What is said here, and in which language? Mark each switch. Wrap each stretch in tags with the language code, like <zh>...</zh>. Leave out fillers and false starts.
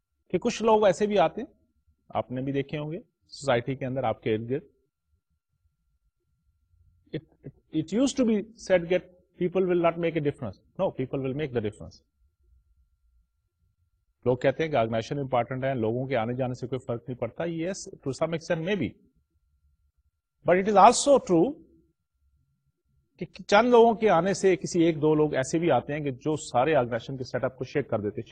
<ur>کہ کچھ لوگ ایسے بھی آتے ہیں آپ نے بھی دیکھے ہوں گے سوسائٹی کے اندر آپ کے ارد گرد.</ur> <en>It used to be said that people will not make a difference. No, people will make the difference.</en> <ur>لوگ کہتے ہیں کہ آرگنائزیشن امپورٹنٹ ہے لوگوں کے آنے جانے سے کوئی فرق نہیں پڑتا.</ur> <en>Yes, to some extent maybe.</en> <ur>But it is also true کہ چند لوگوں کے آنے سے کسی ایک دو لوگ ایسے بھی آتے ہیں کہ جو سارے آرگنائزیشن کے سیٹ اپ کو شیک کر دیتے.</ur>